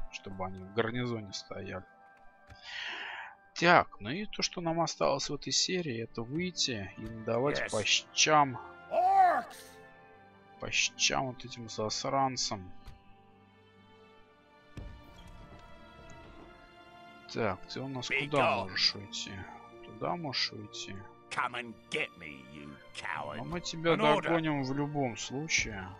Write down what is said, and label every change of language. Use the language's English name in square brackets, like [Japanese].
[Russian] Чтобы они в гарнизоне стояли. Так, ну и то, что нам осталось в этой серии, это выйти и надавать по щам. По щам вот этим засранцам. Так, ты у нас куда можешь уйти? Туда можешь уйти. [English] Come and get me, you coward. [Russian] Но мы тебя догоним в любом случае.